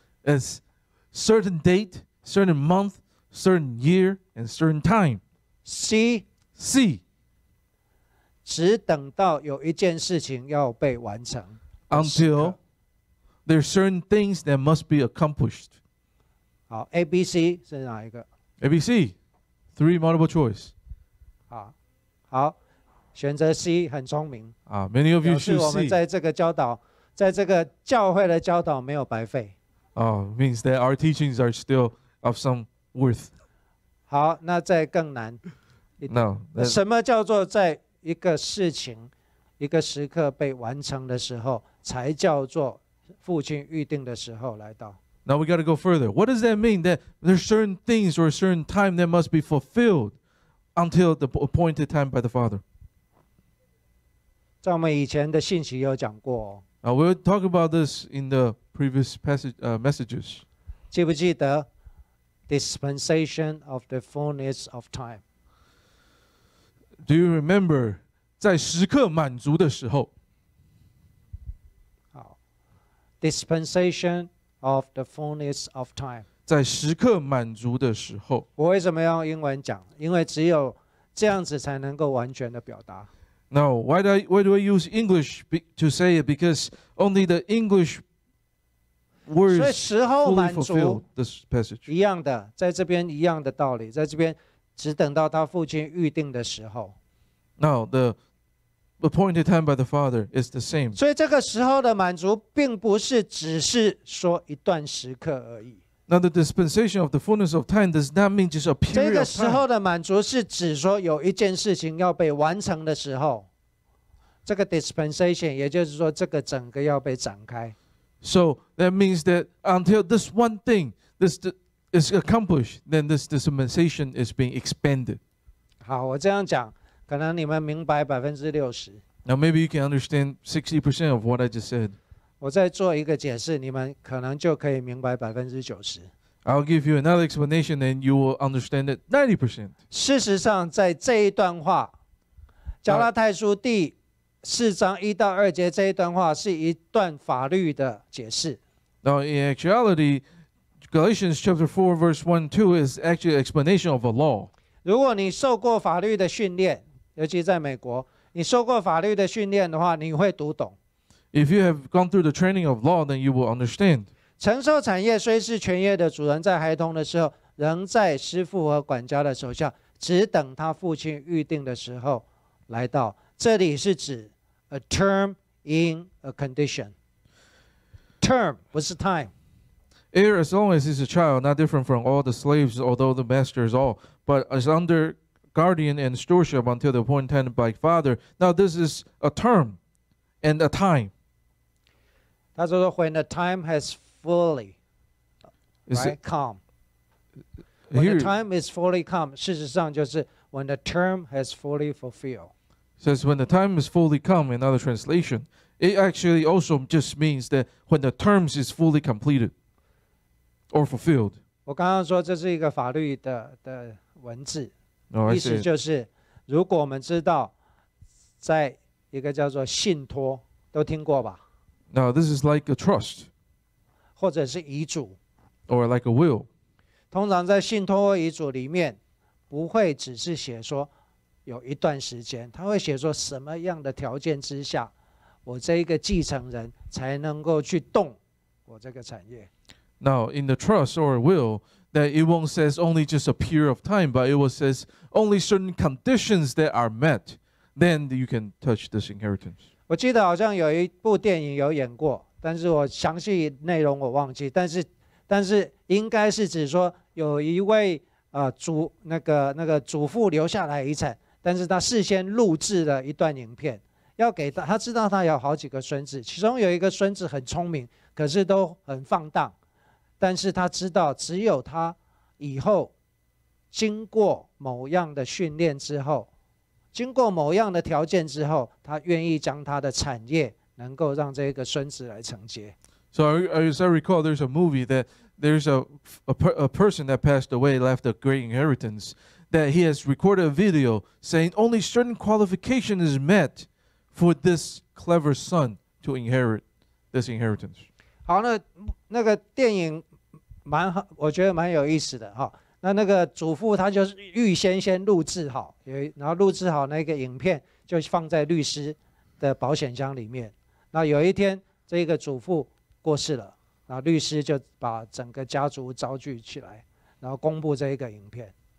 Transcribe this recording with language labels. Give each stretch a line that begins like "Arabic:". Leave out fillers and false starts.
English: It's certain date, certain month, certain year, and certain time. C.
Chinese: 只等到有一件事情要被完成。
English: Until there are certain things that must be accomplished.
Chinese: 好 ，A、B、C 是哪一个
English: ？A、B、C, three multiple choice.
Chinese: 好。选择 C 很聪明
English: 啊 ，Many of you choose C。
Chinese: 表示我们在这个教导，在这个教会的教导没有白费。
English: Means that our teachings are still of some worth。
Chinese: 好，那再更难。
English: No。
Chinese: 什么叫做在一个事情、一个时刻被完成的时候，才叫做父亲预定的时候来到
English: ？Now we got to go further. What does that mean that there are certain things or a certain time that must be fulfilled until the appointed time by the Father?
Chinese: 在我们以前的信息有讲过、哦。
English: We'll talk about this in the previous passage, messages.
Chinese: 记不记得
English: dispensation of the fullness of time? Do you remember
Chinese: 在时刻满足的时候？
English: 好 ，dispensation of the fullness of time.
Chinese: 在时刻满足的时候。我为什么要英文讲？因为只有这样子才能够完全的表达。
English: Now, why do I use English to say it? Because only the English words fully fulfill this passage.
Chinese: 一样的，在这边一样的道理，在这边只等到他父亲预定的时候。
English: Now, the appointed time by the Father is the same.
Chinese: 所以这个时候的满足，并不是只是说一段时刻而已。
English: Now the dispensation of the fullness of time does not mean just a period of time.
Chinese: 这个时候的满足是指说有一件事情要被完成的时候，这个 dispensation 也就是说这个整个要被展开。
English: So that means that until this one thing this is accomplished, then this dispensation is being expanded.
Chinese: 好，我这样讲，可能你们明白60%。
English: Now maybe you can understand 60% of what I just said.
Chinese: 我再做一个解释，你们可能就可以明白90%。
English: I'll give you another explanation, and you will understand it 90%.
Chinese: 事实上，在这一段话，加拉太书第四章一到二节这一段话是一段法律的解释。
English: Now, in actuality, Galatians chapter 4 verse 1-2 is actually an explanation of a law.
Chinese: 如果你受过法律的训练，尤其在美国，你受过法律的训练的话，你会读懂。
English: If you have gone through the training of law, then you will understand.
Chinese: 承受产业虽是全业的主人，在孩童的时候，仍在师父和管家的手下，只等他父亲预定的时候来到。这里是指
English: a term in a condition. Term
Chinese: 不是
English: time. Heir as long as he's a child, not different from all the slaves, although the master is all, but is under guardian and stewardship until the appointed by father. Now this is a term and a time. That's also when the time has fully right, come. When the time is fully come,
Chinese: 事实上就是
English: when the term has fully fulfilled. Says when the time is fully come, another translation, it actually also just means that when the terms is fully completed. Or fulfilled.
Chinese: 我刚刚说这是一个法律 的文字、 oh, 意思就是如果我们知道在一个叫做信托都听过吧
English: Now this is like a trust
Chinese: 或者是遗嘱
English: Or like a will
Chinese: 通常在信托或遗嘱里面不会只是写说有一段时间他会写说什么样的条件之下我这一个继承人才能够去动我这个产业
English: Now, in the trust or will, that it won't say only just a period of time, but it will say only certain conditions that are met, then you can touch this inheritance.
Chinese: 我记得好像有一部电影有演过，但是我详细内容我忘记。但是应该是指说有一位祖父留下来遗产，但是他事先录制了一段影片，要给他知道他有好几个孙子，其中有一个孙子很聪明，可是都很放荡。但是他知道只有他以后经过某样的训练之后经过某样的条件之后他愿意将他的产业能够让这个孙子来承接
English: So as I recall there's a movie that there's a person that passed away left a great inheritance that he has recorded a video saying only certain qualification is met for this clever son to inherit this inheritance
Chinese: 好那个电影蛮好，我觉得蛮有意思的哈。那个祖父他就是预先先录制好，然后录制好那个影片就放在律师的保险箱里面。那有一天这个祖父过世了，然后律师就把整个家族召聚起来，然后公布这一个影片。